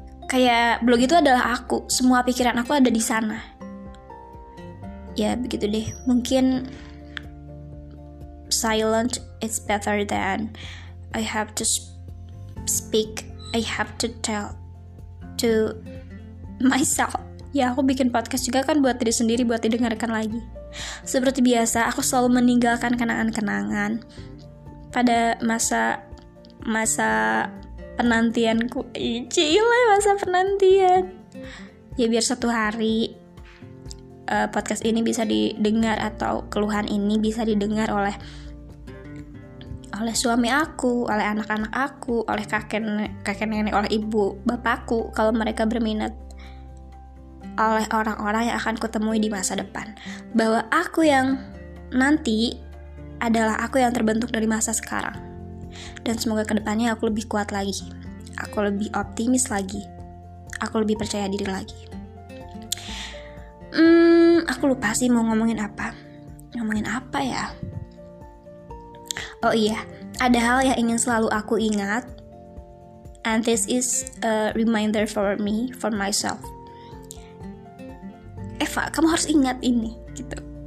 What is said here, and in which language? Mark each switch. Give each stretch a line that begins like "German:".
Indonesian: Kayak blog itu adalah aku. Semua pikiran aku ada di sana. Ya begitu deh. Mungkin
English: silent is better than I have to speak. I have to tell to myself.
Indonesian: Ya aku bikin podcast juga kan buat diri sendiri, buat didengarkan lagi. Seperti biasa, aku selalu meninggalkan kenangan-kenangan pada masa penantianku. Cilai masa penantian. Ya biar satu hari podcast ini bisa didengar atau keluhan ini bisa didengar oleh suami aku, oleh anak-anak aku, oleh kakek nenek, oleh ibu bapakku, kalau mereka berminat, oleh orang-orang yang akan kutemui di masa depan, bahwa aku yang nanti adalah aku yang terbentuk dari masa sekarang, dan semoga kedepannya aku lebih kuat lagi, aku lebih optimis lagi, aku lebih percaya diri lagi. Aku lupa sih mau ngomongin apa ya. Oh iya, ada hal yang ingin selalu aku ingat.
English: And this is a reminder for me, for myself.
Indonesian: Eva, kamu harus ingat ini, gitu.